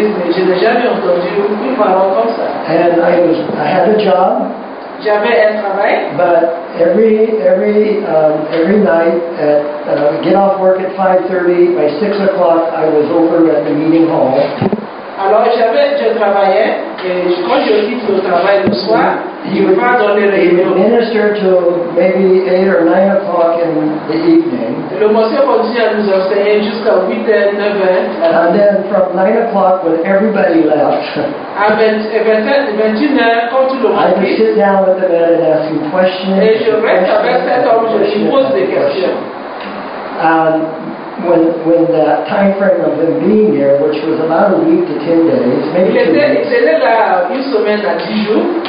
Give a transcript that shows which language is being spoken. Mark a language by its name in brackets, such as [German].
[English] And I had a job. But every night at get off work at 5:30, by 6 o'clock I was over at the meeting hall. [French] Alors je travaillais et quand je quitte le travail le soir, je vais pas dans les réunions. [English] Minister to maybe 8 or 9 o'clock in the evening. [French] Le monsieur continue à nous enseigner jusqu'à 8h, 9h. [English] And then from 9 o'clock when everybody left. I would sit down with the man and ask him questions. [French] Et je reste avec cet homme, je lui pose des questions. [English] When that time frame of him being there, which was about a week to 10 days, maybe 2 weeks.